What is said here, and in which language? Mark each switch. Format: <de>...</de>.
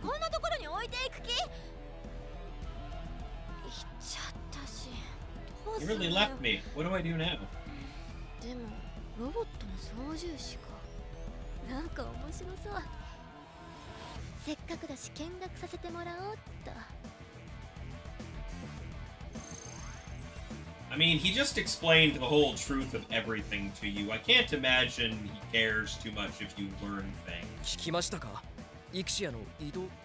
<ja>こんなところに置いていく気？行っちゃったし、どうするよ。</ja> <en>You really left me. What do I do now?</en> <ja>でも、ロボットの操縦士か。なんか面白そう。せっかくだし見学させてもらおうっと。</ja> <en>I mean, he just explained the whole truth of everything to you. I can't imagine he cares too much if you learn things.</en> <ja>聞きましたか？イクシアの移動。</ja>